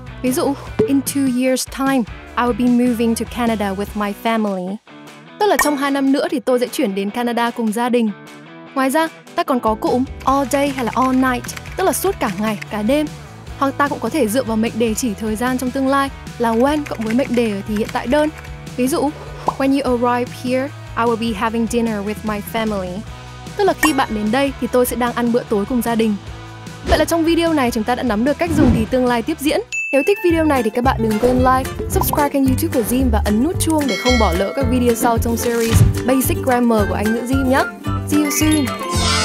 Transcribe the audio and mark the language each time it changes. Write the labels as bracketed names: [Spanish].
[Vietnamese] Ví dụ, [English] in 2 years time, I will be moving to Canada with my family. [Vietnamese] Tức là trong 2 năm nữa thì tôi sẽ chuyển đến Canada cùng gia đình. Ngoài ra, ta còn có cụm all day hay là all night, tức là suốt cả ngày, cả đêm. Hoặc ta cũng có thể dựa vào mệnh đề chỉ thời gian trong tương lai là when cộng với mệnh đề ở thì hiện tại đơn. Ví dụ, [English] when you arrive here, I will be having dinner with my family. [Vietnamese] Tức là khi bạn đến đây thì tôi sẽ đang ăn bữa tối cùng gia đình. Vậy là trong video này chúng ta đã nắm được cách dùng thì tương lai tiếp diễn. Nếu thích video này thì các bạn đừng quên like, subscribe kênh YouTube của Jim và ấn nút chuông để không bỏ lỡ các video sau trong series Basic Grammar của Anh Ngữ Jim nhé. [English] See you soon!